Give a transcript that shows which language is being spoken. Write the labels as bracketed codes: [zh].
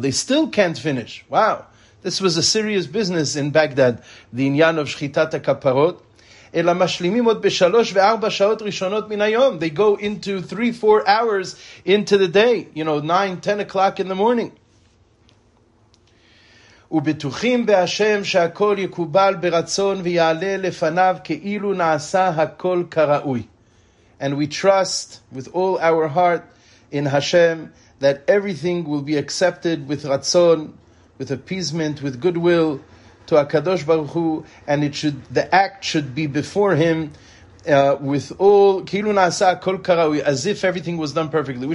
[en] They still can't finish. Wow. This was a serious business in Baghdad, the inyan of shechitat ha-kaparot. [he] אלא משלימים עוד בשלוש וארבע שעות ראשונות מן היום. [en] They go into 3-4 hours into the day, you know, 9-10 o'clock in the morning. [he] ובטוחים בהשם שהכל יקובל ברצון ויעלה לפניו כאילו נעשה הכל כראוי. [en] And we trust with all our heart in Hashem that everything will be accepted with ratzon, with appeasement, with goodwill to HaKadosh Baruch Hu, and it should, the act should be before Him with all, [he] kilu nasa kol karawi, [en] as if everything was done perfectly.